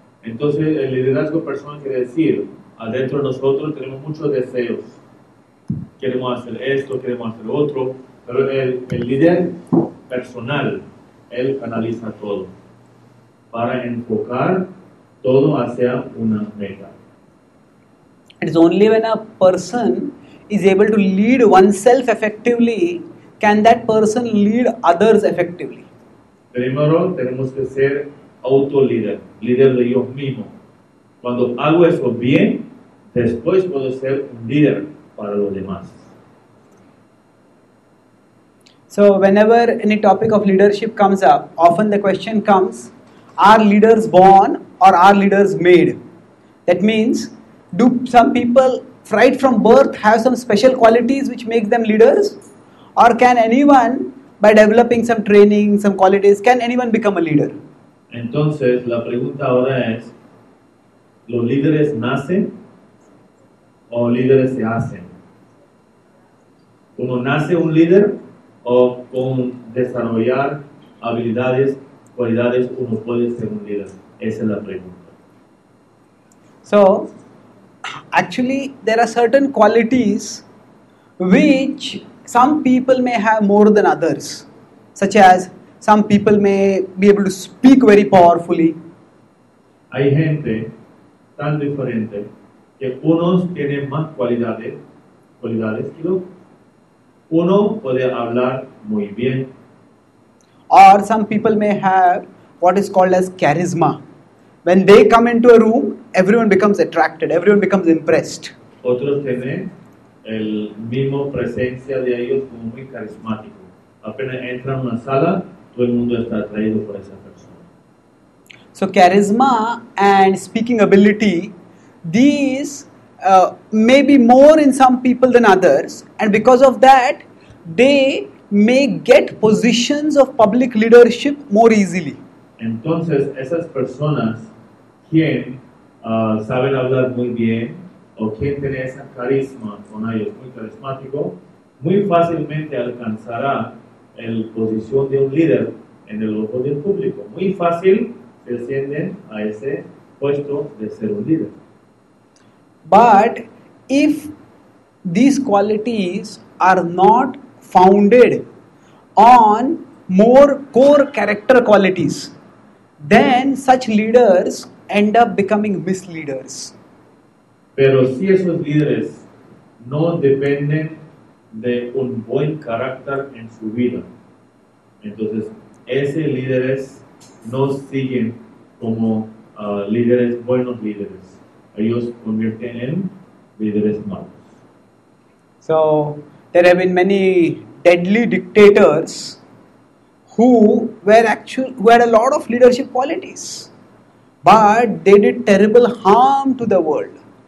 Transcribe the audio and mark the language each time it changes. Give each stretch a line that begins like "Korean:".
Spanish: Entonces, el liderazgo personal quiere decir, adentro de nosotros tenemos muchos deseos. Queremos hacer esto, queremos hacer otro, pero el líder personal, él canaliza todo para enfocar todo hacia una meta.
English: It is only when a person is able to lead oneself effectively, can that person lead others effectively.
Spanish: Primero, tenemos que ser autolíder, líder de yo mismo. Cuando hago eso bien, después puedo ser un líder para los demás.
English: So, whenever any topic of leadership comes up, often the question comes, are leaders born or are leaders made? That means, do some people right from birth have some special qualities which make them leaders? Or can anyone, by developing some training, some qualities, can anyone become a leader?
Spanish: Entonces, la pregunta ahora es, ¿los líderes nacen o líderes se hacen? ¿Uno nace un líder o con desarrollar habilidades, cualidades, uno puede ser un líder? Esa es la pregunta.
English: So, actually, there are certain qualities which some people may have more than others, such as some people may be able to speak very powerfully.
Spanish: Hay gente tan diferente que unos tienen más cualidades que otros. Uno puede hablar muy bien.
English: Or some people may have what is called as charisma. When they come into a room, everyone becomes attracted, everyone becomes impressed.
Spanish: Otros tienen el mismo presencia de ellos como muy carismático. Apenas entran a una sala, todo el mundo está atraído por esa persona.
English: So charisma and speaking ability, these may be more in some people than others, and because of that, they may get positions of public leadership more easily.
Spanish: Entonces, esas personas quien saben hablar muy bien o quien tiene ese carisma con ellos muy carismático, muy fácilmente alcanzará la posición de un líder en el ojo del público. Muy fácil se ascienden a ese puesto de ser un líder.
English: But if these qualities are not founded on more core character qualities, then such leaders end up becoming misleaders.
Spanish: Pero si esos líderes no dependen de un buen carácter en su vida, entonces esos líderes no siguen como líderes, buenos líderes. ellos convierten en líderes malos.
English: So, there have been many deadly dictators who had a lot of leadership qualities, but they did terrible harm to the world.